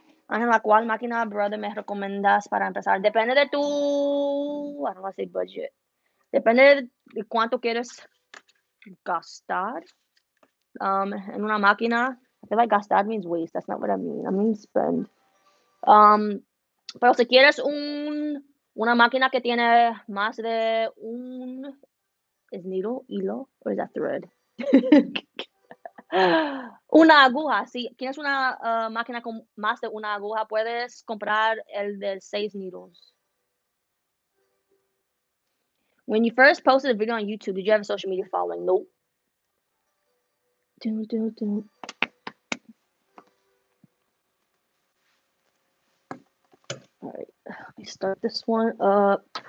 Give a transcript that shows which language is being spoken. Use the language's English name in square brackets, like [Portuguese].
[Spanish] Ángela, ¿cuál máquina, brother, me recomiendas para empezar? Depende de tu, [English] I don't want to say budget. [Spanish] Depende de cuánto quieres gastar. En una máquina. [English] I feel like gastar means waste. That's not what I mean. I mean spend. [Spanish] Pero si quieres un una máquina que tiene más de un es needle, hilo, [English] or is that thread? [Spanish] Una aguja. Si tienes una máquina con más de una aguja, puedes comprar el de 6 needles. [English] When you first posted a video on YouTube, did you have a social media following? Nope. Do, do. Right, let me start this one up.